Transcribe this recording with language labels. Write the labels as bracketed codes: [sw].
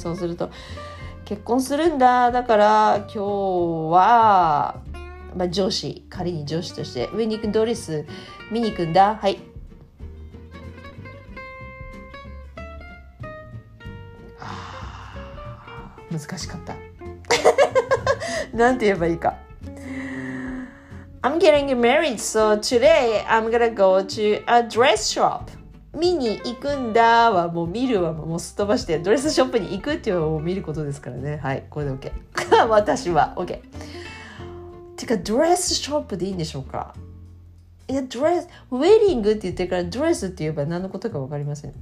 [ja] そうすると、結婚するんだ、だから今日は、まあ、上司、仮に上司として上に行く、ドレス見に行くんだ。はい、あ、難しかったなんて言えばいいか。 [en] I'm getting married, so today I'm gonna go to a dress shop. [ja] 見に行くんだはもう見るはもうすっ飛ばして、ドレスショップに行くっていうのはもう見ることですからね。はい、これで OK 私は OK。てかドレスショップでいいんでしょうか。いや、ドレス、ウェディングって言ってからドレスって言えば何のことか分かりません。